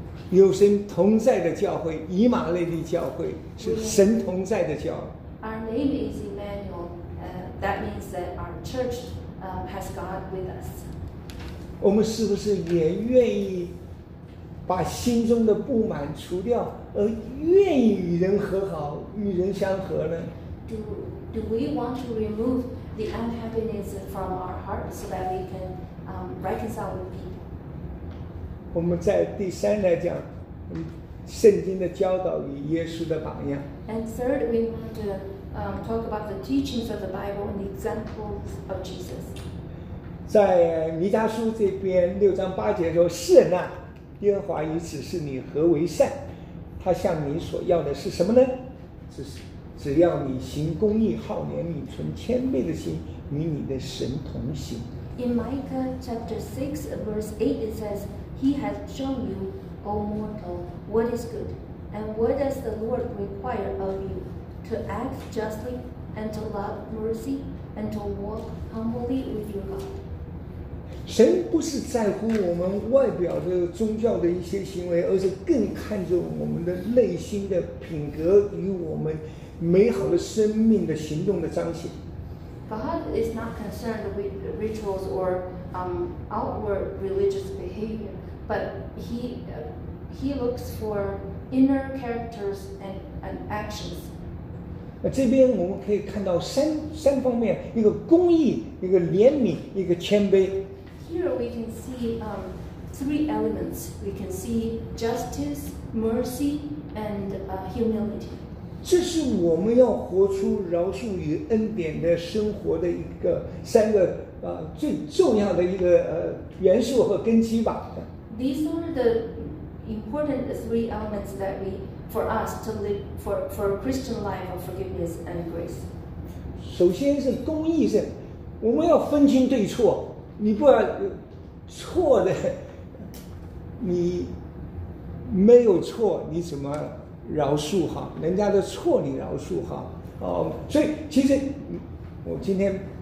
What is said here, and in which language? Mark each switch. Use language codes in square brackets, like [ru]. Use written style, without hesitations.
[zh] 有神同在的教会，以马内利教会是神同在的教会。 [en] Our name is Emmanuel. That means that our church has God with us. [zh] 我们是不是也愿意把心中的不满除掉，而愿意与人和好、与人相合呢？ [en] Do we want to remove the unhappiness from our heart so that we can reconcile with people? [zh] 我们在第三来讲。圣经的教导与耶稣的榜样。 [en] And third, we want to talk about the teachings of the Bible and the examples of Jesus. [zh] 在弥迦书这边六章八节说：“世人啊，耶和华已指示你何为善，他向你所要的是什么呢？只要你行公义，好怜悯，存谦卑的心，与你的神同行。” [en] In Micah chapter 6, verse 8, it says, "He has shown you." O mortal, what is good? And what does the Lord require of you? To act justly and to love mercy and to walk humbly with your God. [zh] 神不是在乎我们外表的宗教的一些行为，而是更看重我们的内心的品格与我们美好的生命的行动的彰显。 [en] God is not concerned with rituals or outward religious behavior. But he looks for inner characters and actions. [zh] 这边我们可以看到三方面，一个公义，一个怜悯，一个谦卑。 [en] Here we can see three elements. We can see justice, mercy, and humility. [zh] 这是我们要活出饶恕与恩典的生活的一个三个最重要的一个元素和根基吧。 [en] These are the important three elements that we, for us to live for a Christian life of forgiveness and grace. [zh] 首先是公义，是我们要分清对错，你不要错的，你没有错，你怎么饶恕哈？人家的错你饶恕哈？所以其实我今天